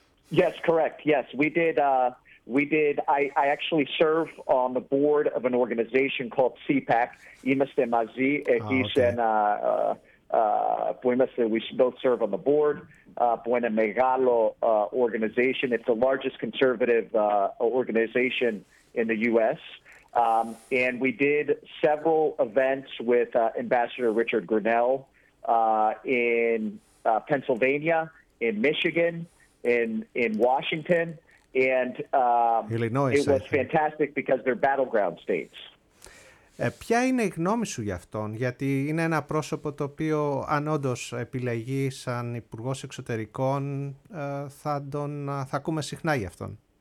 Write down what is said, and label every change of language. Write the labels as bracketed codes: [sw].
[en] Yes, correct. Yes, we did. I actually serve on the board of an organization called CPAC. [el] Είμαστε μαζί εκεί σε ένα που είμαστε. [en] We both serve on the board. [el] Που είναι μεγάλο [en] organization. It's the largest conservative organization in the U.S. And we did several events with Ambassador Richard Grenell in Pennsylvania, in Michigan, in Washington, and Illinois, it was fantastic because they're battleground states. [el] Ποια είναι η γνώμη σου για αυτόν, γιατί είναι ένα πρόσωπο το οποίο, αν όντως επιλεγεί σαν υπουργός εξωτερικών, θα ακούμε συχνά για αυτόν.